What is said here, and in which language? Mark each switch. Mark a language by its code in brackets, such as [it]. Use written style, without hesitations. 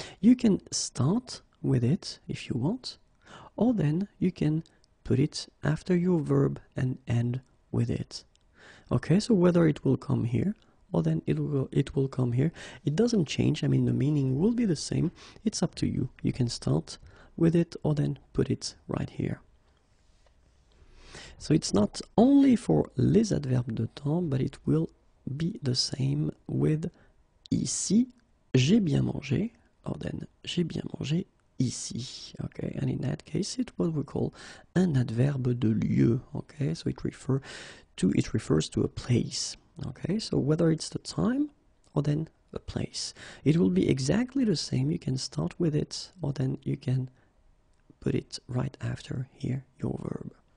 [en] You can start with it if you want, or then you can put it after your verb and end with it. Okay, so whether it will come here, well, then it will come here. It doesn't change. I mean, the meaning will be the same. It's up to you. You can start with it or then put it right here. So it's not only for [fr] les adverbes de temps, [en] but it will be the same with [fr] ici, j'ai bien mangé, [en] or then [fr] j'ai bien mangé ici. [en] Okay, and in that case, it's what we call an [fr] adverbe de lieu. [en] Okay, so it refers to a place. Okay, so whether it's the time or then the place, it will be exactly the same. You can start with it or then you can put it right after here, your verb.